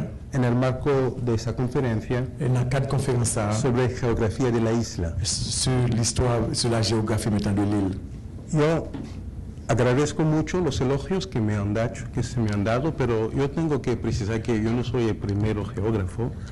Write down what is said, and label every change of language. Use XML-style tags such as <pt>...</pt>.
<es>en el marco de esa conferencia, en la cuarta conferencia sobre geografía de la isla,</es> <fr>sur la géographie métropolitaine de l'île.</fr> <es>Yo agradezco mucho los elogios que me han dado, pero yo tengo que precisar que yo no soy el primero geógrafo.</es>